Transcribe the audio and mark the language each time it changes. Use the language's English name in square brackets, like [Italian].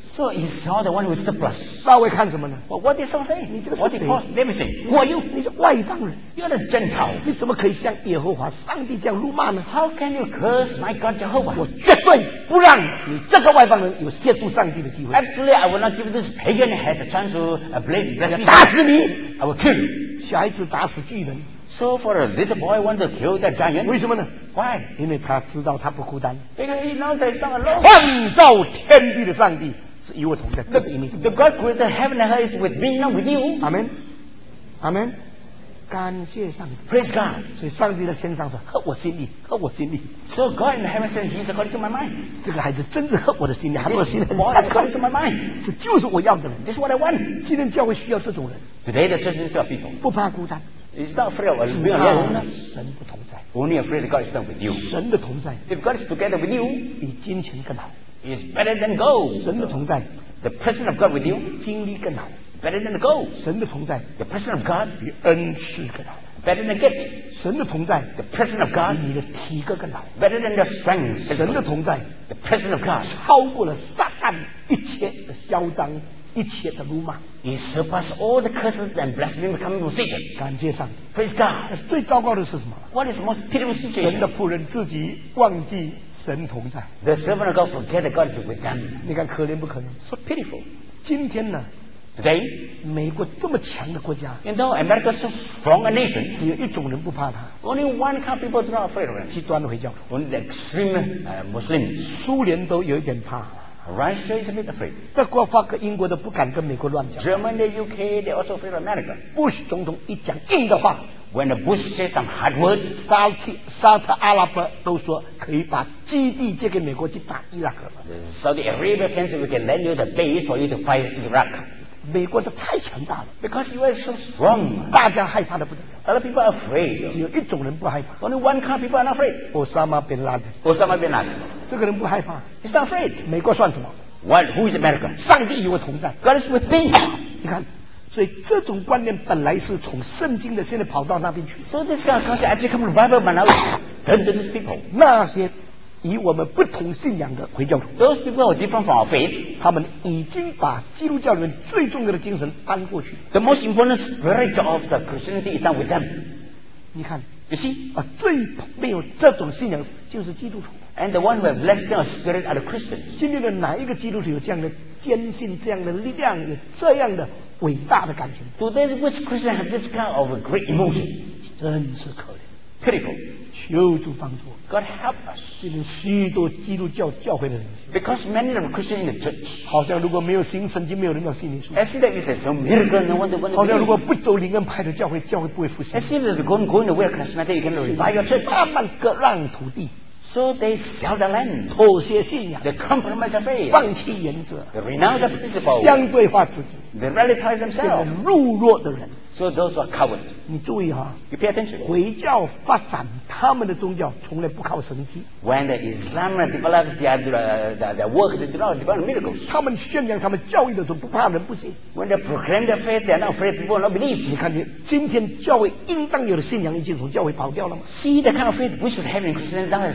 [English] So he saw the one who surpassed. [Chinese] 大卫看什么呢？ [English] Well, what did Saul say? [Chinese] 你这个是谁？ [English] Let me see. Who are you? [Chinese] 你是外邦人。 [English] You're a Gentile. [Chinese] 你怎么可以像耶和华上帝这样辱骂呢？ [English] How can you curse my God Jehovah? [Chinese] 我绝对不让你这个外邦人有亵渎上帝的机会。 [English] Actually, I will not give this pagan has a chance to blame me. [Chinese] 打死你！ [English] I will kill you. [Chinese] 小孩子打死巨人。 [English] So for a little boy want to kill that giant? [Chinese] 为什么呢？ [English] Why? [Chinese] 因为他知道他不孤单。 [English] Because he knows that he's not alone. [Chinese] 创造天地的上帝是与我同在，不是与你。 [English] The God created heaven and earth is with me, not with you. [Chinese] Amen. Amen. 感谢上帝。 [English] Praise God. [Chinese] 所以上帝在天上说，合我心意，合我心意。 [English] So God in heaven says he's according to my mind. [Chinese] 这个孩子真是合我的心意，合我心意。 [English] This boy is according to my mind. [Chinese] 这就是我要的人。 [English] This is what I want. [Chinese] 今天教会需要这种人。 [English] Today the church needs people. [Chinese] 不怕孤单。 [English] It's not afraid of alone. [Chinese] 神不同在。 [English] Only afraid God is not with you. [Chinese] 神的同在。 [English] If God is together with you, [Chinese] 比金钱更好。 [English] Is better than gold. [Chinese] 神的同在。 [English] The presence of God with you, [Chinese] 经历更好。 [English] Better than gold. [Chinese] 神的同在。 [English] The presence of God, [Chinese] 比恩赐更好。 [English] Better than gift. [Chinese] 神的同在。 [English] The presence of God, [Chinese] 比你的体格更好。 [English] Better than your strength. [Chinese] 神的同在。 [English] The presence of God, [Chinese] 超过了撒旦一切的嚣张。一切的辱骂 [English] ，He surpassed all the curses and blasphemy coming from Satan. [Chinese] 感谢上帝 [English] ，Praise God. [Chinese] 最糟糕的是什么 [English] ？What is the most pitiful situation? [Chinese] 神的仆人自己忘记神同在 [English] ，The servant of God forget that God is with them. [Chinese] 你看可怜不可怜 [English] ？So pitiful. [Chinese] 今天呢 [English] ？Today, [Chinese] 美国这么强的国家 [English] ，You know, America is so strong a nation. [Chinese] 只有一种人不怕他 [English] ，Only one kind of people are not afraid of him. [Chinese] 极端的回教徒 [English] ，Only the extreme Muslims. [Chinese] 苏联都有一点怕。 [English] Russia is a bit afraid. [Chinese] 德国、法国、英国都不敢跟美国乱讲。 [English] Germany, UK, they also afraid of America. [Chinese] Bush 总统一讲硬的话 [English] When the Bush says some hard words, [Chinese] Saudi Arab 都说可以把基地借给美国去打伊拉克。 [English] Saudi Arabia thinks we can lend you the base for you to fight Iraq. [Chinese] 美国的太强大了。 [English] Because you are so strong. [Chinese] 大家害怕的不得了。 [English] A lot of people are afraid. [Chinese] 只有一种人不害怕。 [English] Only one kind of people are not afraid. Osama bin Laden. Osama bin Laden. [Chinese] 这个人不害怕。 [English] He's not afraid. [Chinese] 美国算什么？ [English] What? Who is America? [Chinese] 上帝与我同在。 [English] God is with me. [Chinese] 你看。所以这种观念本来是从圣经的，现在跑到那边去。 [English] So this kind of concept actually comes from the Bible, but now dangerous people. [Chinese] 那些以我们不同信仰的回教徒 [English] ，those people are different from our faith. [Chinese] 他们已经把基督教里面最重要的精神搬过去。 [English] The most important spirit of the Christianity is not with them. [Chinese] 你看 [English] ，you see, [Chinese] 啊，最没有这种信仰就是基督徒。 [English] And the one who have less than a spirit are the Christians. [Chinese] 今天的哪一个基督徒有这样的坚信、这样的力量、有这样的？伟大的感情。 [English] Today, which Christian have this kind of a great emotion? [Chinese] 真是可怜。 [English] Pitiful. [Chinese] 求主帮助。 [English] God help us. [Chinese] 今天许多基督教教会的人。 [English] Because many of Christians in the church. [Chinese] 好像如果没有新圣经，没有人要信耶稣。 [English] As if there is no miracle, no one to. [Chinese] 好像如果不走灵恩派的教会，教会不会复兴。 [English] As if there is going the way of Christianity, you can revive your church. [Chinese] 慢慢割让土地。 [English] So they sell the land, [Chinese] 妥协信仰 [English] the compromise of faith, [Chinese] 放弃原则 [English] the renounce the principle, [Chinese] 相对化自己 [English] they relativize themselves, [Chinese] 懦弱的人 [English] so those are cowards. [Chinese] 你注意哈 [English] you pay attention. [Chinese] 回教发展他们的宗教从来不靠神迹 [English] when the Islam develop their work, they do not develop miracles. [Chinese] 他们宣扬他们教义的时候不怕人不信 [English] when they proclaim their faith, they are not afraid people not believe. [Chinese] 你看你今天教会应当有的信仰已经从教会跑掉了吗 [English] see the kind of faith we should have in Christianity.